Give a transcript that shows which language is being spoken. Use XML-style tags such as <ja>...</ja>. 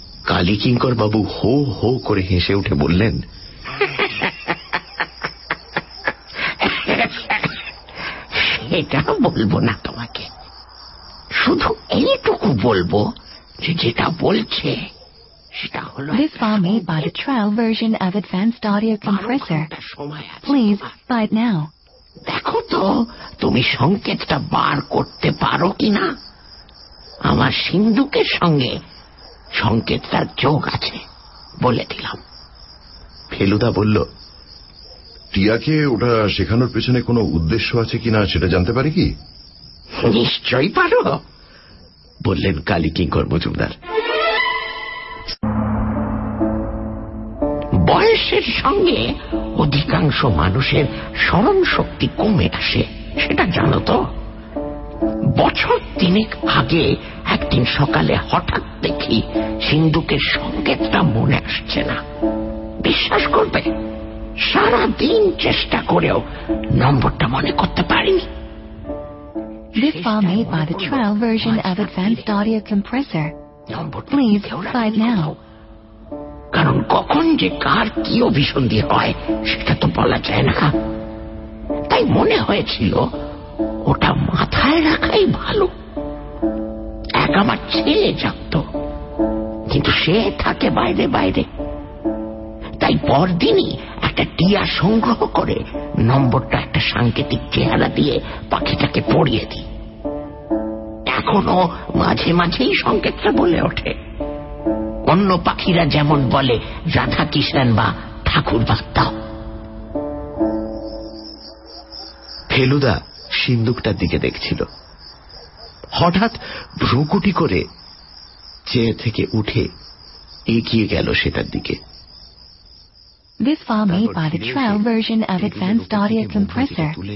<bn>কালীকিঙ্করবাবু হো হো করে হেসে উঠে বললেন, এটা বলবো না তোমাকে, শুধু এইটুকু বলবো যে যেটা বলছে</bn> <en>This file made by the trial version of Advanced Audio Compressor. Please buy it now.</en> <bn>দেখো তো তুমি সংকেতটা বার করতে পারো কিনা, আমার সিন্ধুকের সঙ্গে সংকেতটার যোগ আছে বলে দিলাম। ফেলুদা বলল, টিয়াকে ওটা শেখানোর পেছনে কোনো উদ্দেশ্য আছে কিনা সেটা জানতে পারি কি? নিশ্চয়ই পারো, বললেন কালীকিঙ্কর মজুমদার। বয়সের সঙ্গে অধিকাংশ মানুষের স্মরণ শক্তি কমে আসে সেটা জানো তো, বছর তিনেক আগে একদিন সকালে হঠাৎ দেখি সিন্ধুকের সংকেতটা মনে আসছে না, বিশ্বাস করবে সারা দিন চেষ্টা করেও নম্বরটা মনে করতে পারিনি।</bn> <en>This file made by the trial version of Advanced Audio Compressor. Please, five now.</en> <bn>কারণ কখন যে কার কি অভিসন্ধি হয় সেটা তো বলা যায় না, তাই মনে হয়েছিল ওটা মাথায় রাখাই ভালো। এক আমার ছেলে যাক্ত, কিন্তু সে থাকে বাইরে বাইরে, তাই পরদিনই একটা টিয়া সংগ্রহ করে নম্বরটা একটা সাংকেতিক চেহারা দিয়ে পাখিটাকে পড়িয়ে দিই। এখনো মাঝে মাঝেই সংকেতটা বলে ওঠে। অন্য পাখিরা যেমন বলে রাধা কৃষ্ণ বা ঠাকুর বার্তা। ফেলুদা সিন্দুকটার দিকে দেখছিল, হঠাৎ ভ্রুকুটি করে চেয়ার থেকে উঠে এগিয়ে গেল সেটার দিকে।</bn> <en>This file may be the trial version of Advanced Audio Compressor.</en>